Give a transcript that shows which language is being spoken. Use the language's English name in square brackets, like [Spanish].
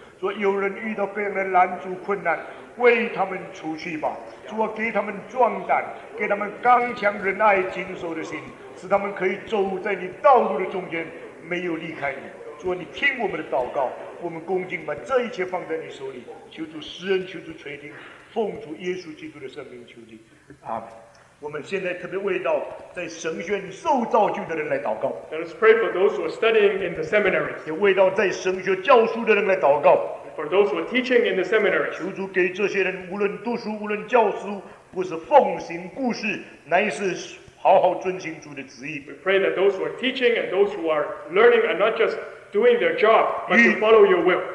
[Chinese] 主啊有人遇到别人的拦阻困难，为他们除去吧，主啊给他们壮胆，给他们刚强仁爱谨守的心，使他们可以走在你道路的中间，没有离开你。主啊你听我们的祷告，我们恭敬把这一切放在你手里，求主施恩，求主垂听，奉主耶稣基督的圣名求你，阿们。我们现在特别为到在神学院受造就的人来祷告。 [English] Let us pray for those who are studying in the seminary. [Chinese] 也为到在神学教书的人来祷告。 [English] For those who are teaching in the seminary. [Chinese] 求主给这些人无论读书无论教书，不是奉行故事，乃是好好遵行主的旨意。 [English] We pray that those who are teaching and those who are learning are not just doing their job, but to follow your will.